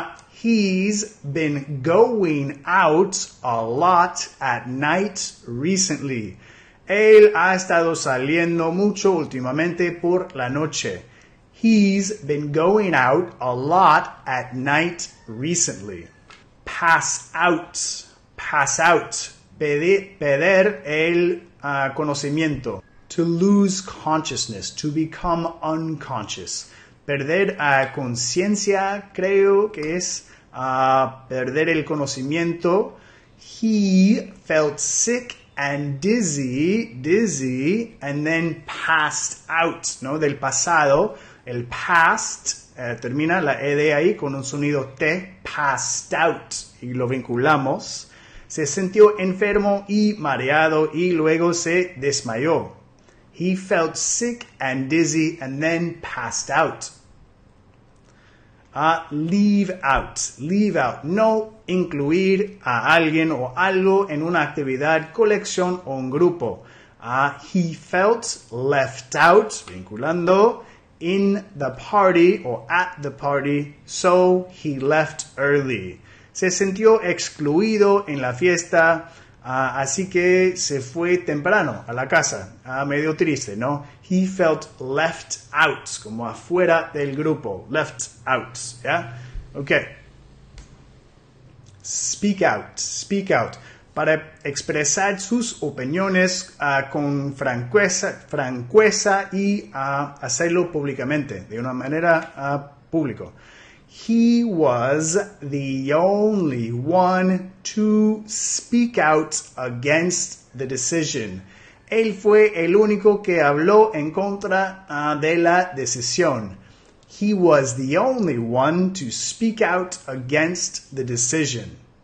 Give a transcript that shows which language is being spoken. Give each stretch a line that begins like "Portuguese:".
English: He's been going out a lot at night recently.
Spanish: Él ha estado saliendo mucho últimamente por la noche.
English: He's been going out a lot at night recently. Pass out, pass out.
Spanish: Perder el conocimiento.
English: To lose consciousness, to become unconscious.
Spanish: Perder a conciencia, creo que es perder el conocimiento.
English: He felt sick and dizzy, and then passed out, ¿no?
Spanish: Del pasado, el past, termina la ED ahí con un sonido T, passed out, y lo vinculamos. Se sintió enfermo y mareado y luego se desmayó.
English: He felt sick and dizzy and then passed out. Leave out. Leave out.
Spanish: No incluir a alguien o algo en una actividad, colección o un grupo.
English: He felt left out, vinculando, in the party or at the party, so he left early.
Spanish: Se sintió excluido en la fiesta, así que se fue temprano a la casa. Medio triste, ¿no?
English: He felt left out,
Spanish: como afuera del grupo.
English: Left out, ¿ya? Yeah? Ok. Speak out, speak out.
Spanish: Para expresar sus opiniones con franqueza y hacerlo públicamente, de una manera público.
English: He was the only one to speak out against the decision.
Spanish: Él fue el único que habló en contra de la decisión.
English: He was the only one to speak out against the decision.